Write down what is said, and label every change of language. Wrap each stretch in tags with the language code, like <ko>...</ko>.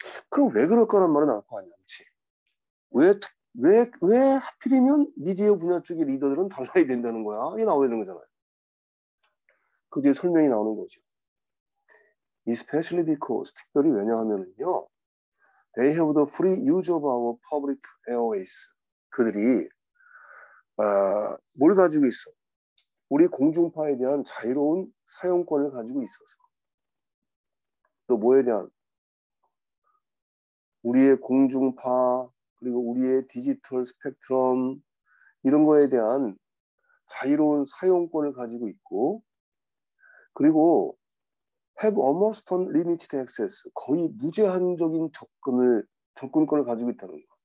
<ko>그럼 왜 그럴까란 말은 나올 거 아니야, 그렇지? 왜 하필이면 미디어 분야 쪽의 리더들은 달라야 된다는 거야? 이게 나와야 되는 거잖아요. 그 뒤에 설명이 나오는 거죠.</ko> <en>Especially because,</en> <ko>특별히 왜냐하면요.</ko> <en>They have the free use of our public airways.</en> <ko>그들이 뭘 가지고 있어? 우리 공중파에 대한 자유로운 사용권을 가지고 있어서. 또 뭐에 대한? 우리의 공중파, 그리고 우리의 디지털 스펙트럼 이런 거에 대한 자유로운 사용권을 가지고 있고, 그리고</ko> <en>have almost unlimited access,</en> <ko>거의 무제한적인 접근권을 가지고 있다는 거.</ko>